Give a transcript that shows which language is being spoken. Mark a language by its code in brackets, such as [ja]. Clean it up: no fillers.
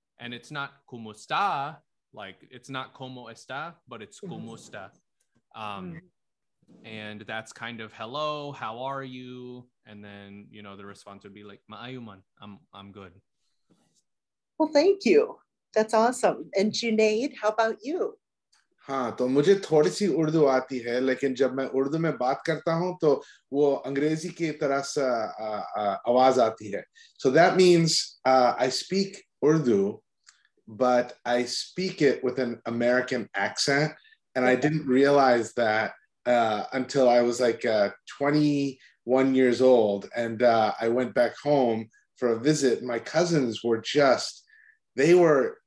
[en] And it's not kumusta, like it's not como esta, but it's kumusta. And that's kind of hello, how are you? And then, you know, the response would be like, maayuman, I'm good. Well, thank you. That's awesome. And Junaid, how about you? [hi] हाँ तो मुझे थोड़ी सी उर्दू आती है लेकिन जब मैं उर्दू में बात करता हूँ तो वो अंग्रेजी की तरह से आवाज आती है. [en] So that means I speak Urdu, but I speak it with an American accent, and I didn't realize that until I was like 21 years old, and I went back home for a visit. My cousins were just, they were